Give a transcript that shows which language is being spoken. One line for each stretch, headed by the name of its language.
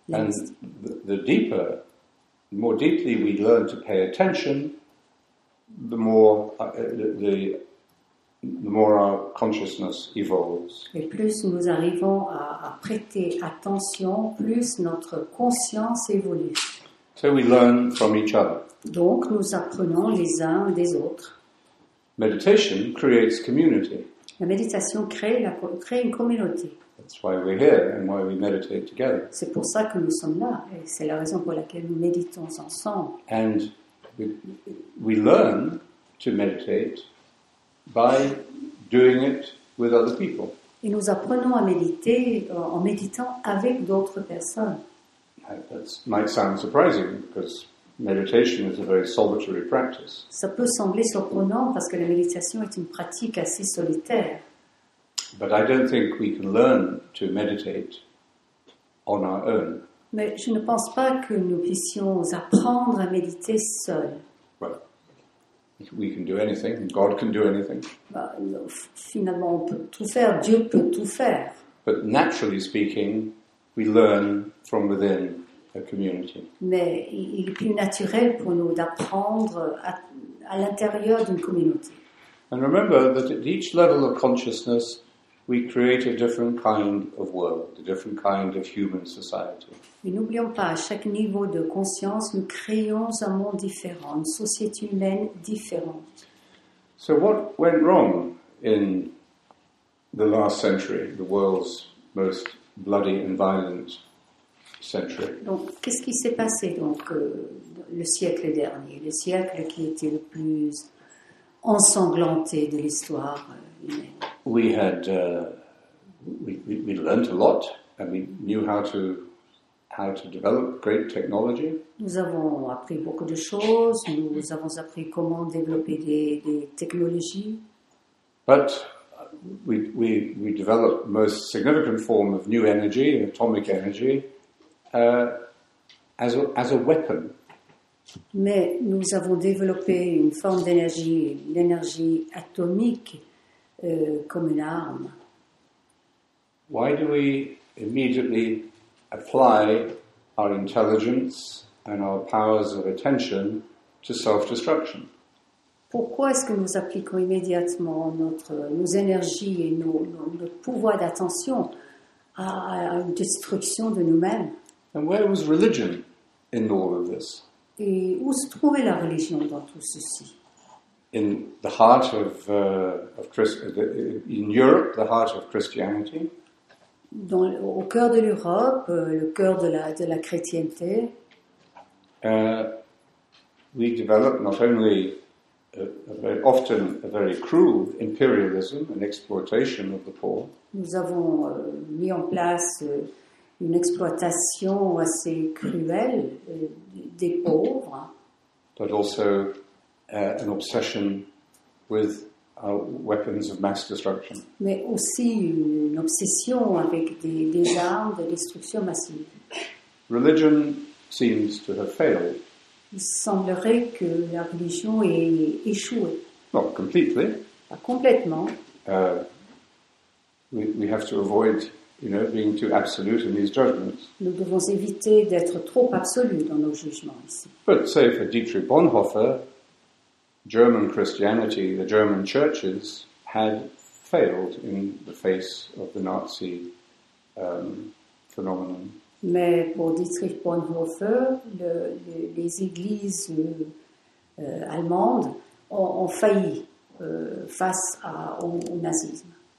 English: And the deeper, the more deeply we learn to pay attention, the more our consciousness evolves.
French: Et plus nous arrivons à prêter attention, plus notre conscience évolue.
English: So we learn from each other.
French: Donc nous apprenons les uns des autres.
English: Meditation creates community.
French: La méditation crée une communauté.
English: That's why we're here and why we meditate together.
French: C'est pour ça que nous sommes là et c'est la raison pour laquelle nous méditons ensemble.
English: And we learn to meditate by doing it with other people.
French: Et nous apprenons à méditer en méditant avec d'autres personnes.
English: That might sound surprising because meditation is a very solitary practice.
French: Ça peut sembler surprenant parce que la méditation est une pratique assez solitaire.
English: But I don't think we can learn to meditate on our own.
French: Mais je ne pense pas que nous puissions apprendre à méditer seul.
English: Well, we can do anything. God can do anything.
French: Bah, finalement, on peut tout faire. Dieu peut tout faire.
English: But naturally speaking, we learn from within a community.
French: Mais il est plus naturel pour nous d'apprendre à l'intérieur d'une communauté.
English: And remember that at each level of consciousness, we create a different kind of world, a different kind of human society.
French: Et n'oublions pas, à chaque niveau de conscience, nous créons un monde différent, une société humaine différente.
English: So what went wrong in the last century, the world's most bloody and violent century?
French: Donc, qu'est-ce qui s'est passé donc le siècle dernier, le siècle qui était le plus ensanglanté de l'histoire humaine?
English: We had we learned a lot, and we knew how to develop great technology.
French: Nous avons appris beaucoup de choses. Nous avons appris comment développer des technologies.
English: But we developed the most significant form of new energy, atomic energy, as a weapon.
French: Mais nous avons développé une forme d'énergie, l'énergie atomique. Comme une arme.
English: Why do we immediately apply our intelligence and our powers of attention to self-destruction?
French: Pourquoi est-ce que nous appliquons immédiatement nos énergies et notre pouvoir d'attention à une destruction de nous-mêmes?
English: And where was religion in all of this?
French: Et où se trouvait la religion dans tout ceci?
English: In the heart of in Europe, the heart of Christianity.
French: Dans au cœur de l'Europe, le cœur de la chrétienté.
English: We developed not only a very cruel imperialism and exploitation of the poor.
French: Nous avons mis en place une exploitation assez cruelle des pauvres.
English: But also. An obsession with weapons of mass destruction.
French: Mais aussi une obsession avec des armes de destruction massive.
English: Religion seems to have failed.
French: Il semblerait que la religion ait échoué.
English: Not completely.
French: Pas complètement.
English: We have to avoid you know, being too absolute in these judgments.
French: Nous devons éviter d'être trop absolu dans nos jugements ici.
English: But say for Dietrich Bonhoeffer, German Christianity, the German churches, had failed in the face of the Nazi phenomenon.
French: Mais pour Dietrich Bonhoeffer, les églises allemandes ont failli face au nazisme.